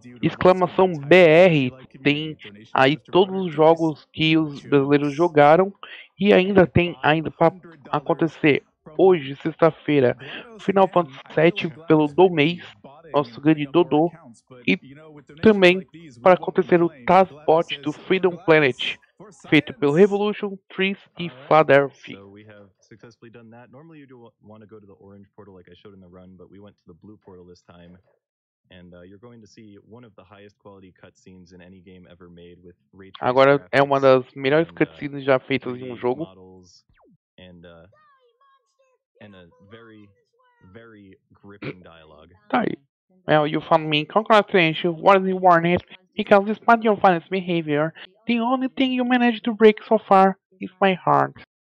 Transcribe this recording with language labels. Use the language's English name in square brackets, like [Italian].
[Portuguese] Exclamação BR tem aí todos os jogos que os brasileiros jogaram e ainda tem ainda para acontecer hoje, sexta-feira, Final Fantasy VII pelo Domês, nosso grande Dodô, e também para acontecer o Tazbot do Freedom Planet, feito pelo Revolution, Trees e Fladerfy. [English] Successfully done that. Normally you do want to go to the orange portal like I showed in the run, but we went to the blue portal this time. And you're going to see one of the highest quality cutscenes in any game ever made with ray tracing. [Portuguese] Agora é uma das melhores cutscenes já feitas em um jogo. [English] And a very, very gripping dialogue. [Portuguese] Tá aí. [English] Well, you found me. Congratulations. What is the warning? Because despite your finest behavior, the only thing you managed to break so far is my heart.